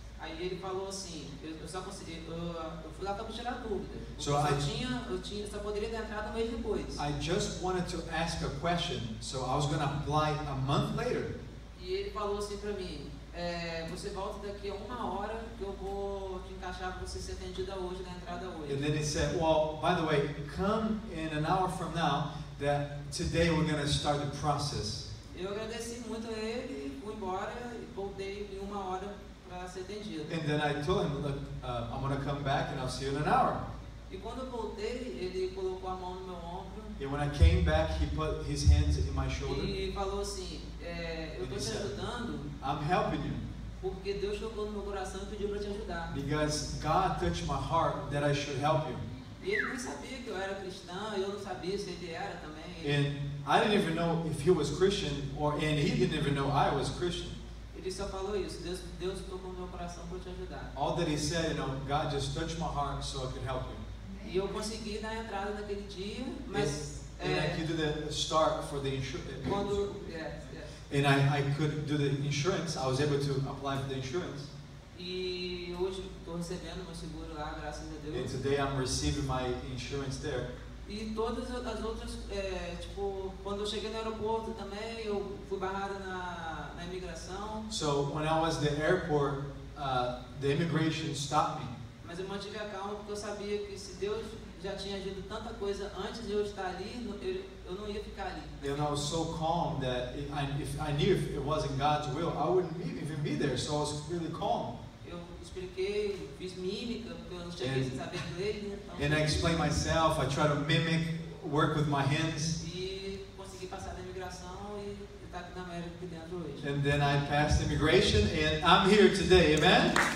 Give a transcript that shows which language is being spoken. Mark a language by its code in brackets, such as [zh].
[pt] Aí ele falou assim, eu só consegui, eu fui lá para tirar dúvida. [en] So [pt] eu só poderia dar entrada um mês depois. [en] I just wanted to ask a question, so I was going to apply a month later. [pt] E ele falou assim para mim, você volta daqui a uma hora que eu vou te encaixar para você ser atendida hoje na entrada hoje. [en] And then he said, well, by the way, come in an hour from now, that today we're going to start the process. [pt] Eu agradeci muito a ele, fui embora e voltei em uma hora. [en] And then I told him, look, I'm going to come back and I'll see you in an hour. [pt] E quando eu voltei, ele colocou a mão no meu ombro. [en] And when I came back, he put his hands in my shoulder. [pt] E falou assim, eu tô te ajudando. [en] I'm helping you. [pt] Porque Deus tocou no meu coração e pediu para te ajudar. [en] Because God touched my heart that I should help you. [pt] E ele nem sabia que eu era cristã, eu não sabia se ele era também. [en] And I didn't even know if he was Christian, and he didn't even know I was Christian. [pt] Ele só falou isso, Deus tocou no meu coração para te ajudar. [en] All that he said, you know, God just touched my heart so I could help you. [pt] E eu consegui dar a entrada naquele dia, mas [en] and I could do the start for the insurance. [pt] Quando, [en] yeah. And I could do the insurance. I was able to apply for the insurance. [pt] E hoje estou recebendo meu seguro lá, graças a Deus. [en] And today I'm receiving my insurance there. [pt] E todas as outras, tipo, quando eu cheguei no aeroporto também, eu fui barrado na imigração. [en] So, when I was at the airport, the immigration stopped me. [pt] mas eu mantive a calma porque eu sabia que se Deus já tinha agido tanta coisa antes de eu estar ali, eu não ia ficar ali. [en] And I was so calm that if I knew if it wasn't God's will, I wouldn't even be there. So I was really calm. [pt] Eu expliquei, fiz mímica porque eu não tinha que saber inglês, né? Então, [en] and I explained myself. I tried to mimic, work with my hands. [pt] E consegui passar da imigração e estar aqui na América aqui dentro hoje. [en] And then I passed immigration and I'm here today. Amen.